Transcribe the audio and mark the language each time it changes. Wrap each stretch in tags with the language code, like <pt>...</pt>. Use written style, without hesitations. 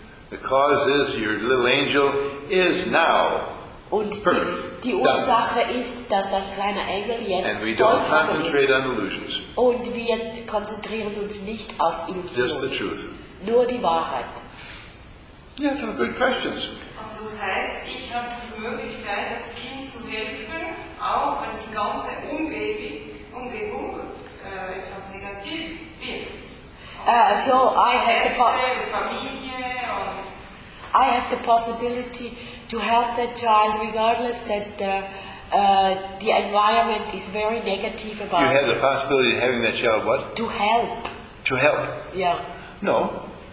<en>The cause is your little angel is now.</en> <de>Und die Ursache ist, dass dein kleiner Engel jetzt vollkommen ist. Und wir konzentrieren uns nicht auf Illusionen.</de> <en>Just the truth.</en> <de>Nur die Wahrheit.</de> <en>Ja, yeah, some good questions.</en> <de>Also das heißt, ich habe die Möglichkeit, das Kind zu helfen, auch wenn die ganze Umgebung etwas negativ wirkt.</de> <en>So I have</en> <de>the Familie und</de> <en>I have the possibility to help that child, regardless that the environment is very negative about you have the possibility of having that child what? To help. To help? Yeah. No.</en>